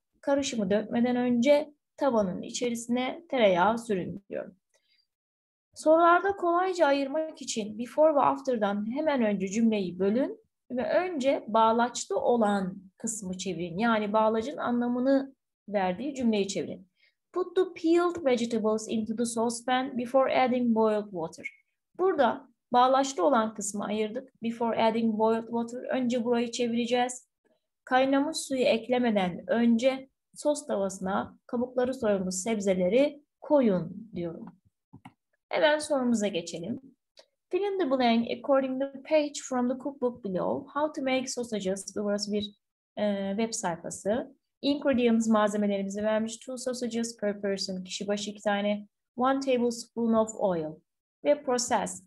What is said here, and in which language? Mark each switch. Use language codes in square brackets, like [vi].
[tr] Karışımı dökmeden önce tavanın içerisine tereyağı sürün diyorum. Sorularda kolayca ayırmak için before ve after'dan hemen önce cümleyi bölün ve önce bağlaçlı olan kısmı çevirin. Yani bağlacın anlamını verdiği cümleyi çevirin. [en] Put the peeled vegetables into the saucepan before adding boiled water. [tr] Burada bağlaçlı olan kısmı ayırdık. [en] Before adding boiled water, [tr] önce burayı çevireceğiz. Kaynamış suyu eklemeden önce sos tavasına kabukları soyulmuş sebzeleri koyun diyorum. Hemen sorumuza geçelim. [en] Fill in the blank according to page from the cookbook below. How to make sausages. [tr] Burası bir web sayfası. [en] Ingredients [tr] malzemelerimizi vermiş. [en] Two sausages per person. [tr] Kişi başı iki tane. [en] One tablespoon of oil. [tr] Ve process.